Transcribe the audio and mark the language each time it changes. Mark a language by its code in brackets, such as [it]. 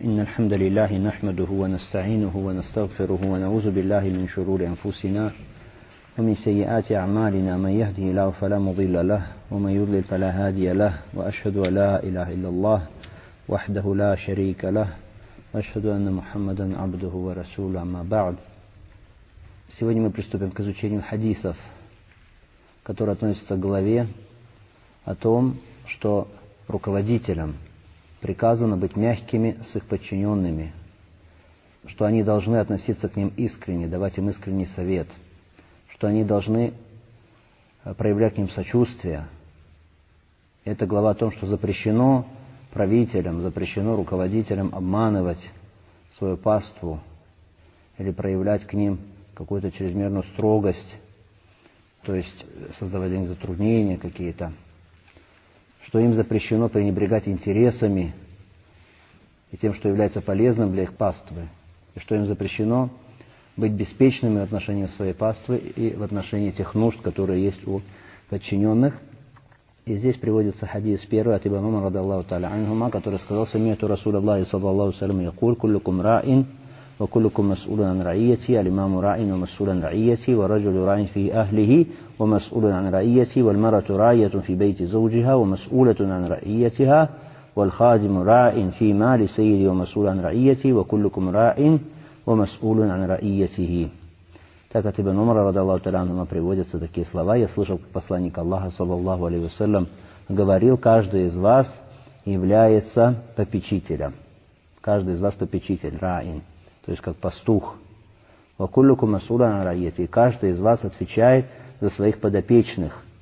[ar] إن الحمد لله نحمده ونستعينه ونستغفره ونعوذ بالله من شرور أنفسنا ومن سيئات أعمالنا، من يهده الله فلا مضل له ومن يضلل فلا هادي له، وأشهد أن لا إله إلا الله وحده لا شريك له، وأشهد أن محمدا عبده ورسوله. أما بعد، [ru] сегодня мы приступим к изучению хадисов, которые относятся к главе о том, что руководителям приказано быть мягкими с их подчиненными, что они должны относиться к ним искренне, давать им искренний совет, что они должны проявлять к ним сочувствие. Это глава о том, что запрещено правителям, запрещено руководителям обманывать свою паству или проявлять к ним какую-то чрезмерную строгость, то есть создавать для них затруднения какие-то, что им запрещено пренебрегать интересами и тем, что является полезным для их паствы, и что им запрещено быть беспечными в отношении своей паствы и в отношении тех нужд, которые есть у подчиненных. И здесь приводится хадис первый от Ибн Умара رضي الله تعالى عنهما, который сказал: [ar] «Самиту Расуля Аллахи صلى الله عليه وسلم يقول كلكم رائن وكلكم مسؤول عن رعيتي الإمام رائن ومسؤول عن رعيتي ورجل رائن في أهله ومسؤول عن رعيتي والمرأة راعية في بيت زوجها ومسؤولة عن رعيتها والخادم راع في مال سيدي ومسؤول عن رعيتي وكلكم راع ومسؤول عن رعيته». [ru] Так от Ибн Умара [ar] رضي الله تعالى عنهما [ru] приводятся такие слова: «Я слышал, как посланник Аллаха [ar] صلى الله عليه وسلم [ru] говорил: каждый из вас является попечителем, каждый из вас попечитель, раин, то есть как пастух. [ar] وكلكم مسؤول عن رعيته, [ru] каждый из вас отвечает за своих подопечных.